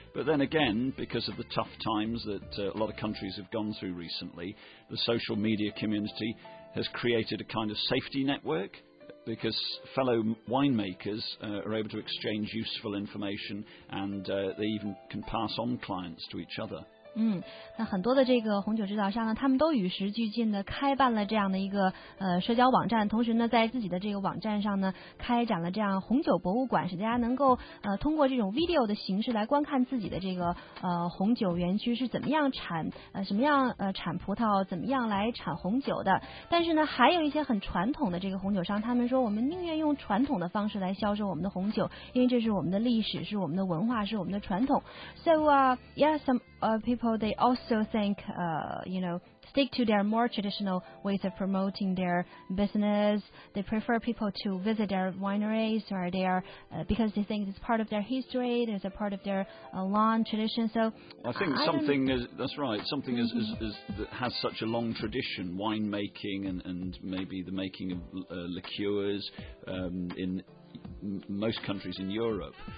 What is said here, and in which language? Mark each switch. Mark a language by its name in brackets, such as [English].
[English] But then again, because of the tough times that a lot of countries have gone through recently, the social media community has created a kind of safety network, because fellow winemakers are able to exchange useful information and they even can pass on clients to each other. [Chinese] 那很多的这个红酒制造商呢，他们都与时俱进的开办了这样的一个社交网站，同时呢在自己的这个网站上呢开展了这样红酒博物馆，使大家能够通过这种 video 的形式来观看自己的这个红酒园区是怎么样产葡萄，怎么样来产红酒的。但是呢还有一些很传统的这个红酒商，他们说我们宁愿用传统的方式来销售我们的红酒，因为这是我们的历史，是我们的文化，是我们的传统。 [English] People, they also think, stick to their more traditional ways of promoting their business. They prefer people to visit their wineries or their, because they think it's part of their history, it's a part of their long tradition. So I think that has such a long tradition, wine making and maybe the making of liqueurs in most countries in Europe.